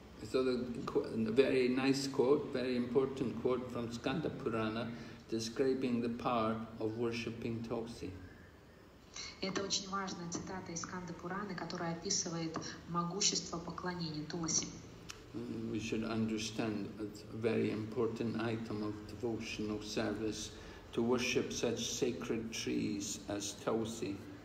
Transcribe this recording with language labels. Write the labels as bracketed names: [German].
[English] So the very nice quote, very important quote from Skanda Purana, describing the power of worshipping Tulsi. [Russian] Это очень важная цитата из Сканды Пураны, которая описывает могущество поклонения Туласи. [English] We should understand it's a very important item of devotional service to worship such sacred trees as Tulsi.